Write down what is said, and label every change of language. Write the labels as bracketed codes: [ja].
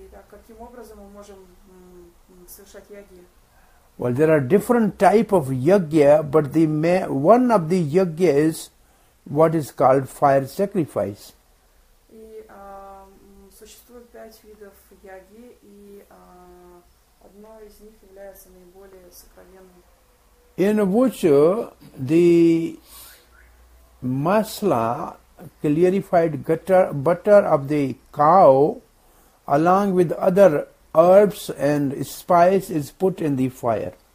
[ru] Каким образом мы можем совершать ягья? [en] Well, there are different type of yagya, but the one of the yagya is what is called fire sacrifice. [ru] И существует пять видов яги, и одно из них является наиболее сокровенным. [en] In which the masala, clarified butter of the cow, along with other herbs and spice, is put in the fire.